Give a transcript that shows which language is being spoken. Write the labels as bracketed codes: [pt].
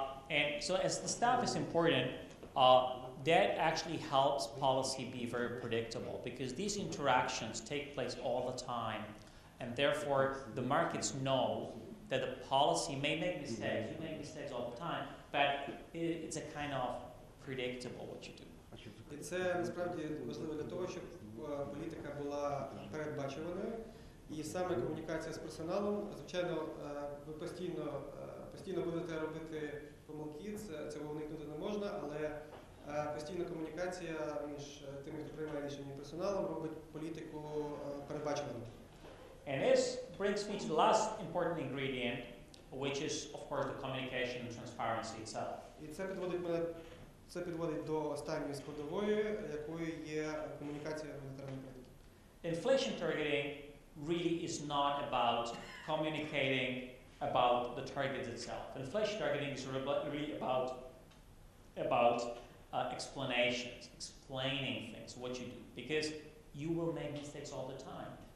[en] And so as the staff is important, that actually helps policy be very predictable, because these interactions take place all the time, and therefore the markets know that the policy may make mistakes, you make mistakes all the time, but it's a kind of predictable what you do. [uk] І це насправді важливо для того, щоб політика була передбачуваною. І саме комунікація з персоналом, звичайно, ви постійно будете робити помилки, цього уникнути не можна, але постійна комунікація між тими, хто приймає рішення, і персоналом робить політику передбачуваною. [en] And this brings me to the last important ingredient, which is of course the communication and transparency itself. [uk] І це підводить мене до останньої складової, якою є комунікація монетарної політики. [en] Inflation targeting really is not about communicating about the targets itself. Inflation targeting is really about explanations, explaining things, what you do, because you will make mistakes all the time.